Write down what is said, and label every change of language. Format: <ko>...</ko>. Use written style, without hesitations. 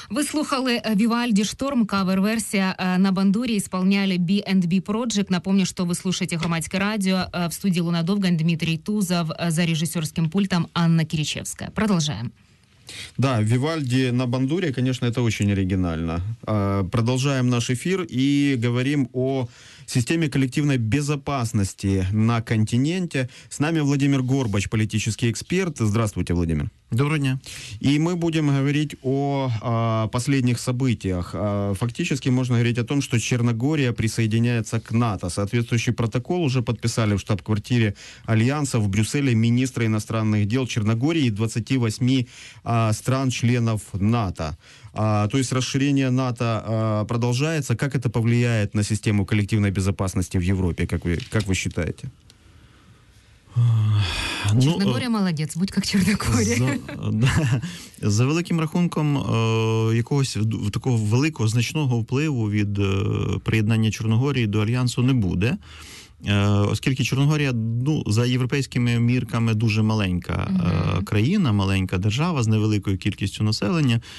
<ru>Слухали Вивальди «Шторм», кавер-версия на бандуре, исполняли B&B Project. Напомню, что вы слушаете «Громадське радио». В студии Луна Довган, Дмитрий Тузов, за режиссерским пультом Анна Киричевская. Продолжаем. Да, Вивальди на бандуре, конечно, это очень оригинально. Продолжаем наш эфир и говорим о системе коллективной безопасности на континенте. С нами Владимир Горбач, политический эксперт. Здравствуйте, Владимир. Доброго дня. И мы будем говорить о последних событиях. Фактически можно говорить о том, что Черногория присоединяется к НАТО. Соответствующий протокол уже подписали в штаб-квартире Альянса в Брюсселе министры иностранных дел Черногории и 28 стран-членов НАТО. То есть расширение НАТО продолжается. Как это повлияет на систему коллективной безопасности в Европе, как вы считаете?</ru> <uk>Черногория молодець, будь як Чорногорія. За великим рахунком якогось такого великого, значного впливу від приєднання Чорногорії до Альянсу не буде. Оскільки Чорногорія, ну, за європейськими мірками дуже маленька країна, маленька держава з невеликою кількістю населення.</uk>